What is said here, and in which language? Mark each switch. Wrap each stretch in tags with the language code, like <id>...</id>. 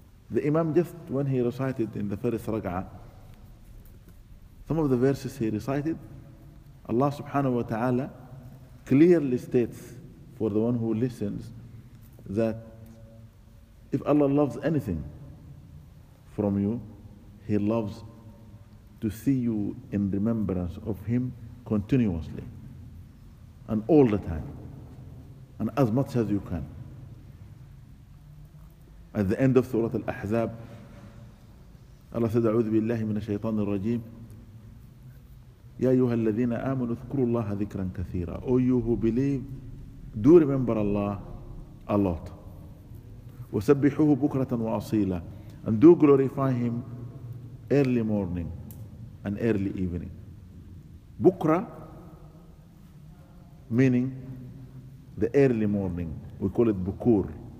<en>The Imam, just when he recited in the first raka'ah, some of the verses he recited, Allah subhanahu wa ta'ala clearly states for the one who listens that if Allah loves anything from you, he loves to see you in remembrance of him continuously and all the time and as much as you can. At the end of Surah Al-Ahzab, Allah said,</en> <ar>أعوذ بالله من الشيطان الرجيم يا أيها الذين آمنوا اذكروا الله ذكرا كثيرا.</ar> <en>O you who believe, do remember Allah a lot.</en> <ar>وسبحوه بكرة وأصيلا.</ar> <en>And do glorify him early morning and early evening. بكرة meaning the early morning, We call it Bukur.</en>